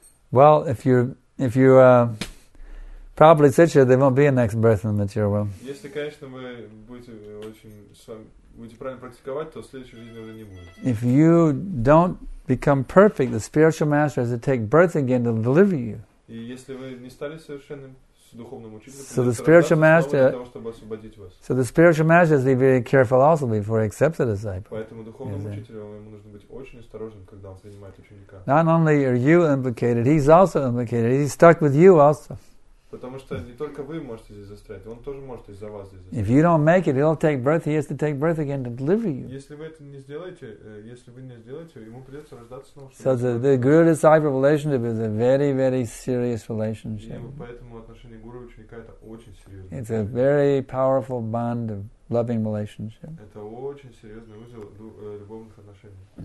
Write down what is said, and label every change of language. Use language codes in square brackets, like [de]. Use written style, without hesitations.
[en] Well, if you probably sit here, there won't be a next birth in the material world. [ru] Если, конечно, вы будете правильно практиковать, то следующей жизни уже не будет. [en] If you don't become perfect, the spiritual master has to take birth again to deliver you. [ru] И если вы не стали совершенным духовным учителем, [en] so the spiritual master, so the spiritual master has to be very careful also before he accepts a disciple. [ru] Поэтому духовному учителю ему нужно быть очень осторожным, когда он принимает ученика. [en] Not only are you implicated, he's also implicated. He's stuck with you also. [ru] Потому что не только вы можете здесь застрять, он тоже может из-за вас здесь застрять. [en] If you don't make it, he'll take birth. He has to take birth again to deliver you. [ru] Если вы это не сделаете, ему придется рождаться снова. [en] So the guru-disciple relationship is a very, very serious relationship. [ru] И поэтому отношение гуру-ученика это очень серьезное. [en] It's a very powerful bond of loving relationship. [ru] Это очень серьезный узел любовных отношений.